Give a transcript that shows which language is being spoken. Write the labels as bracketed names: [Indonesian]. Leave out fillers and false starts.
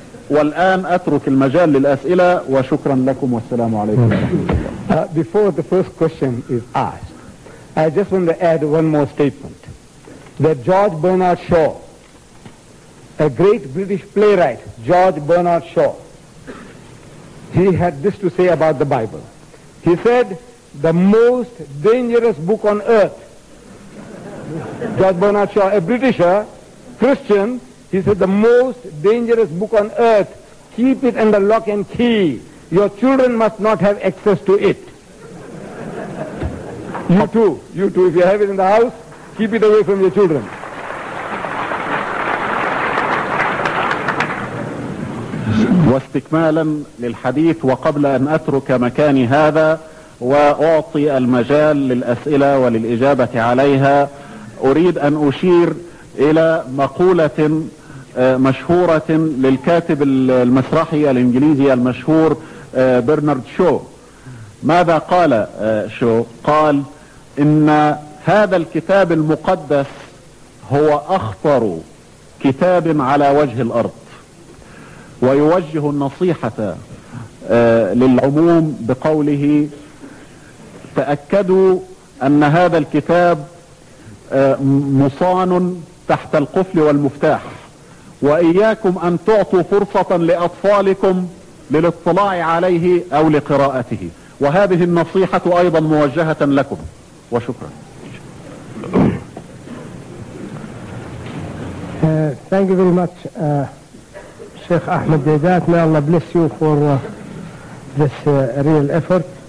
[Arabic] والآن أترك المجال للأسئلة وشكرا لكم والسلام عليكم. [English] Before the first question is asked, I just want to add one more statement. That George Bernard Shaw, a great British playwright, George Bernard Shaw, he had this to say about the Bible. He said, the most dangerous book on earth. George Bernard Shaw, a Britisher, Christian, he said, the most dangerous book on earth, keep it under lock and key. Your children must not have access to it. You too, if you have it in the house, keep it away from your children. [Arabic] واستكمالا للحديث وقبل أن أترك مكاني هذا وأعطي المجال للأسئلة وللإجابة عليها، أريد أن أشير إلى مقولة مشهورة للكاتب المسرحي الإنجليزي المشهور برنارد شو. ماذا قال شو؟ قال إن هذا الكتاب المقدس هو أخطر كتاب على وجه الأرض، ويوجه النصيحة للعموم بقوله تأكدوا أن هذا الكتاب مصان تحت القفل والمفتاح، وإياكم أن تعطوا فرصة لأطفالكم للاطلاع عليه أو لقراءته، وهذه النصيحة أيضا موجهة لكم وشكرا. [English] Thank you very much, Sheikh Ahmed Dedat. May Allah bless you for this real effort.